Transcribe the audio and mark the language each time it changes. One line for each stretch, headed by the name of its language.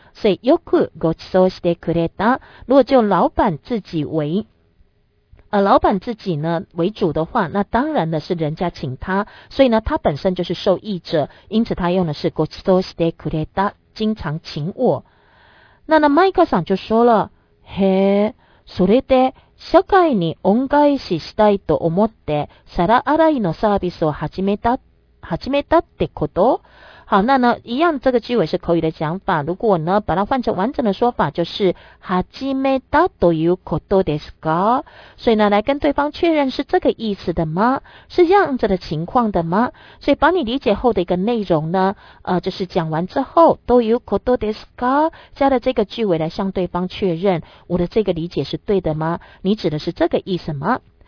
Chinese: 所以
Japanese: よくごちそうしてくれた，
Chinese: 如果就老板自己为老板自己呢为主的话，那当然呢是人家请他，所以呢他本身就是受益者，因此他用的是
Japanese: ごちそうしてくれた，
Chinese: 经常请我。那呢
Japanese: マイカさん
Chinese: 就说了
Japanese: へえ、それで社会に恩返ししたいと思って皿洗いのサービスを始めたってこと。
Chinese: 好，那呢一样这个句尾是口语的讲法，如果呢把它换成完整的说法就是
Japanese: 始めたということですか，
Chinese: 所以呢来跟对方确认是这个意思的吗，是这样子的情况的吗，所以把你理解后的一个内容呢就是讲完之后
Japanese: ということですか，
Chinese: 加了这个句尾来向对方确认我的这个理解是对的吗，你指的是这个意思吗。